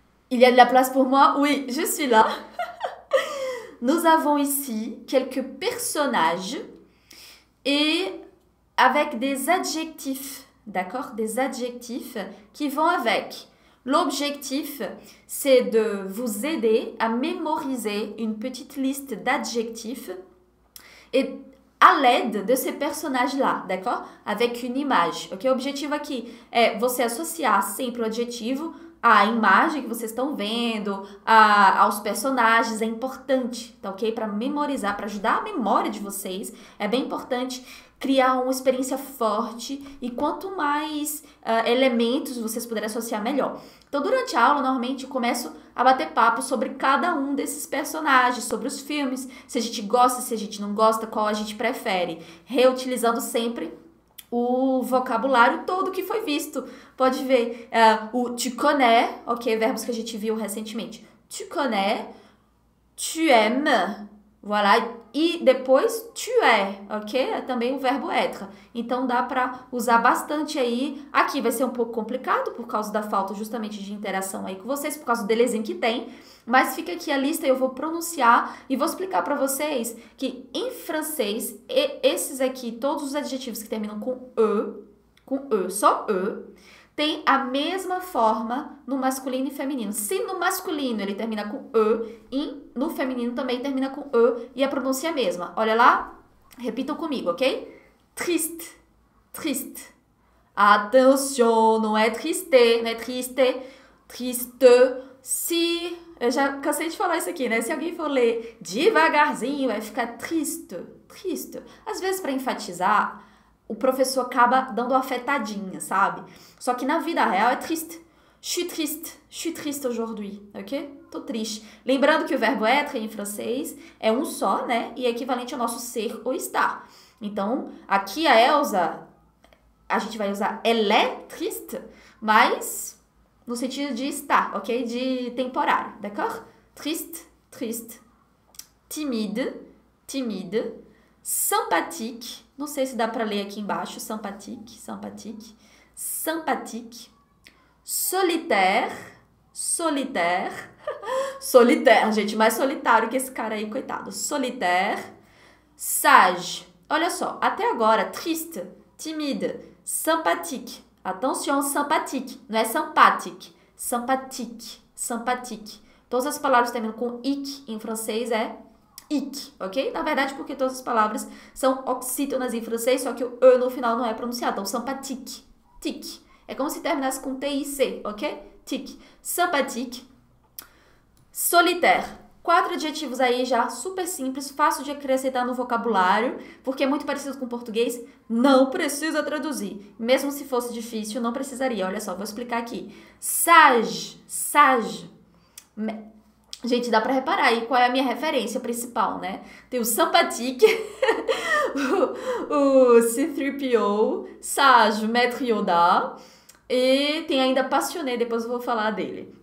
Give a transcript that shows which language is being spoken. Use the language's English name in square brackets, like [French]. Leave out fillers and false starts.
[French] Il y a de la place pour moi? Oui, je suis là. Nous avons ici quelques personnages et avec des adjectifs, d'accord? Des adjectifs qui vont avec. L'objectif, c'est de vous aider à mémoriser une petite liste d'adjectifs et à l'aide de ces personnages-là, d'accord? Avec une image. Ok? [Portuguese] Objetivo aqui é você associar sempre o adjetivo à imagem que vocês estão vendo, aos personagens. É importante, tá ok? Para memorizar, para ajudar a memória de vocês, é bem importante criar uma experiência forte e quanto mais elementos vocês puderem associar, melhor. Então, durante a aula, normalmente eu começo a bater papo sobre cada um desses personagens, sobre os filmes, se a gente gosta, se a gente não gosta, qual a gente prefere, reutilizando sempre o vocabulário todo que foi visto. Pode ver o [French] tu connais, [Portuguese] ok? Verbos que a gente viu recentemente. [French] Tu connais, tu aimes, voilà. [Portuguese] E depois tu es, ok? É também o verbo être. Então dá para usar bastante aí. Aqui vai ser um pouco complicado por causa da falta justamente de interação aí com vocês, por causa do delezinho que tem. Mas fica aqui a lista e eu vou pronunciar e vou explicar para vocês que em francês, e esses aqui, todos os adjetivos que terminam com e, só e, tem a mesma forma no masculino e feminino. Se no masculino ele termina com e, no feminino também termina com e, e a pronúncia é a mesma. Olha lá, repitam comigo, ok? Triste, triste. Attention, não é triste, não é triste, triste. Se, eu já cansei de falar isso aqui, né? Se alguém for ler devagarzinho, vai ficar triste, triste. Às vezes, para enfatizar, o professor acaba dando uma afetadinha, sabe? Só que na vida real é triste. [French] Je suis triste aujourd'hui, ok? [Portuguese] Tô triste. Lembrando que o verbo être em francês é um só, né? E é equivalente ao nosso ser ou estar. Então, aqui a Elsa, a gente vai usar [French] elle est triste, [Portuguese] mas no sentido de estar, ok? De temporário, [French] d'accord? [Portuguese] Triste, triste. [French] Timide, timide. Sympathique. [Portuguese] Não sei se dá para ler aqui embaixo. [French] Sympathique, sympathique. Sympathique. Solitaire, solitaire. Solitaire, gente. [Portuguese] Mais solitário que esse cara aí, coitado. [French] Solitaire. Sage. [Portuguese] Olha só, até agora, [French] triste, timide, sympathique. Attention, sympathique. [Portuguese] Não é [French] sympathique. Sympathique, sympathique. [Portuguese] Todas as palavras terminam com ic em francês é ic, ok? Na verdade, porque todas as palavras são oxítonas em francês, só que o e no final não é pronunciado. Então, sympathique, tic. É como se terminasse com tic, ok? Tic. Sympathique, solitaire. Quatro adjetivos aí já super simples, fácil de acrescentar no vocabulário, porque é muito parecido com português. Não precisa traduzir. Mesmo se fosse difícil, não precisaria. Olha só, vou explicar aqui. Sage, sage. Gente, dá para reparar aí qual é a minha referência principal, né? Tem o sympathique, o C-3PO, sage, maître Yoda, e tem ainda passionné, depois eu vou falar dele.